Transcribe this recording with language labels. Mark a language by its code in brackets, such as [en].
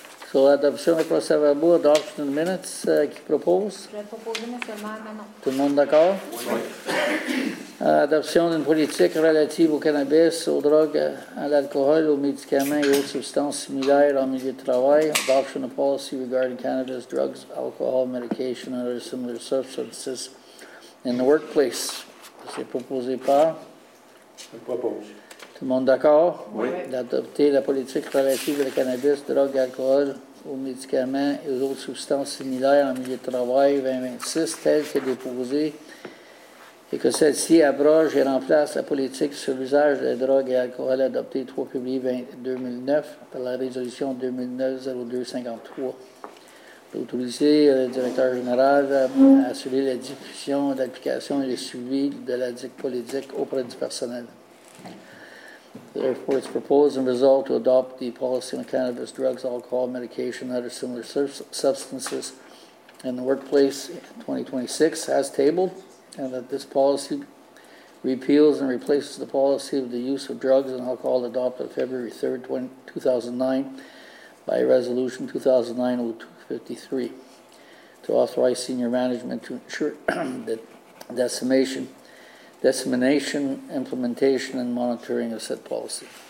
[fr] Sur l'adoption du procès-verbal, d'autres minutes, qui propose? Je vais proposer, M. le maire, maintenant. Tout le monde d'accord? Oui. Adoption d'une politique relative au cannabis, aux drogues, à l'alcool, aux médicaments et aux substances similaires en milieu de travail. [en] Adoption of policy regarding cannabis, drugs, alcohol, medication and other similar substances in the workplace. [fr] C'est proposé par? Je propose. Tout le monde d'accord? Oui. D'adopter la politique relative au cannabis, drogue, alcool, aux médicaments et aux autres substances similaires en milieu de travail 2026, telle que déposée, et que celle-ci abroge et remplace la politique sur l'usage des drogues et alcool adoptée 3 février 2009 par la résolution 2009-02-53. D'autoriser le directeur général à assurer la diffusion, l'application et le suivi de la dite politique auprès du personnel. [en] Therefore, it's proposed and resolved to adopt the policy on cannabis, drugs, alcohol, medication, and other similar substances in the workplace in 2026 as tabled, and that this policy repeals and replaces the policy of the use of drugs and alcohol adopted February 3, 2009 by Resolution 2009-0253 to authorize senior management to ensure that dissemination, implementation and monitoring of said policy.